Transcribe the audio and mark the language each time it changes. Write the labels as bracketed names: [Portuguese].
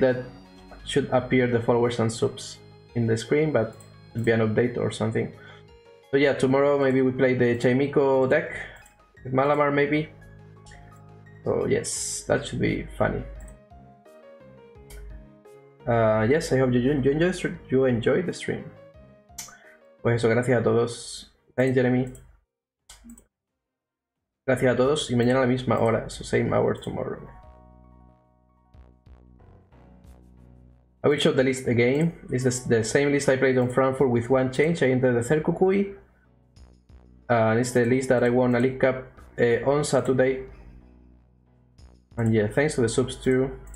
[English] That should appear the followers and subs in the screen, but it'll be an update or something. So yeah, tomorrow maybe we play the Chaimiko deck with Malamar, maybe. So yes, that should be funny. Yes, I hope you enjoy the stream. [Spanish] Pues eso, gracias a todos. [English] Thanks, Jeremy. [Spanish] Gracias a todos y mañana a la misma hora, [English] so same hour tomorrow. I will show the list again. This is the same list I played on Frankfurt with one change. I entered the third Kukui. And it's the list that I won a League Cup on Saturday. And yeah, thanks to the subs too.